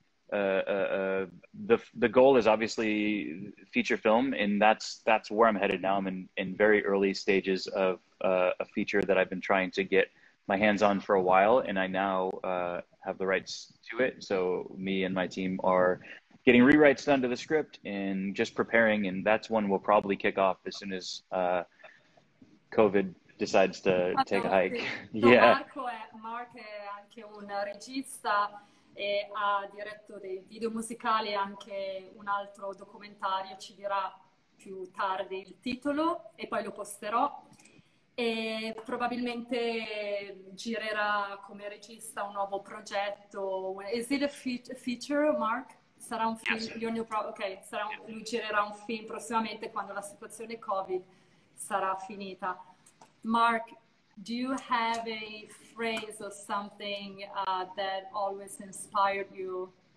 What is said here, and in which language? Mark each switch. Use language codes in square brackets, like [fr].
[en] The goal is obviously feature film, and that's where I'm headed now. I'm in very early stages of a feature that I've been trying to get my hands on for a while, and I now have the rights to it. So me and my team are getting rewrites done to the script and just preparing, and that's one we'll probably kick off as soon as COVID decides to take a hike. Yeah. [it] Mark è anche un regista e ha diretto dei video musicali e anche un altro documentario, ci dirà più tardi il titolo e poi lo posterò. E probabilmente girerà come regista un nuovo progetto. [en] Is it a feature, Mark? [it] Sarà un film? [en] Yes. [it] Lui girerà un film prossimamente quando la situazione COVID sarà finita. [en] Mark, do you have a phrase or something that always inspired you?